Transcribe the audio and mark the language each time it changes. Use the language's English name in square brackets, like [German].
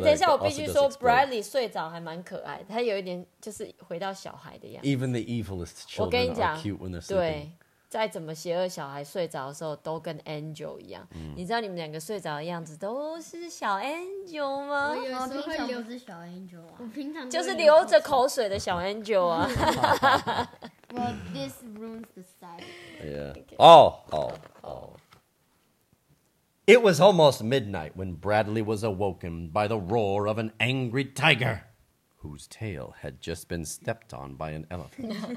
[Chinese] 等一下，我必须说 ，Bradley 睡着还蛮可爱的，他有一点就是回到小孩的样子。 [English] Even the evilest children are cute when they're sleeping. [Chinese] 对，再怎么邪恶，小孩睡着的时候都跟 Angel 一样。 Mm. 你知道你们两个睡着的样子都是小 Angel 吗？我有时候会流着小 Angel 啊，我平常就是流着口水的小 Angel 啊。 [English] Well, this ruins the sight. Yeah. Oh. It was almost midnight when Bradley was awoken by the roar of an angry tiger, whose tail had just been stepped on by an elephant.